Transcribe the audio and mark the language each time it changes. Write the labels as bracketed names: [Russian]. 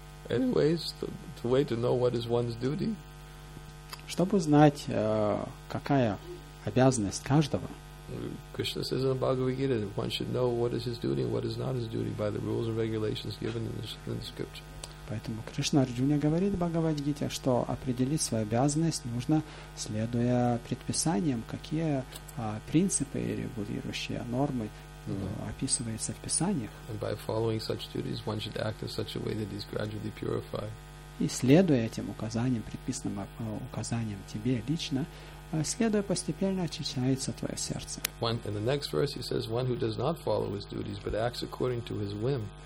[English] Anyways, the way to know what is one's duty. [Russian] Чтобы знать какая обязанность каждого. [English] Krishna says in the Bhagavad Gita, one should know what is his duty and what is not his duty by the rules and regulations given in the scripture. [Russian] Поэтому Кришна Арджуна говорит в Бхагавад-гите, что определить свою обязанность нужно, следуя предписаниям, какие принципы, регулирующие нормы, описываются в писаниях. [English] And by following such duties, one should act in such a way that he's gradually purified. [Russian] И следуя этим указаниям, предписанным указаниям тебе лично, следуя постепенно, очищается твое сердце. [English] One, in the next verse he says, one who does not follow his duties, but acts according to his whim.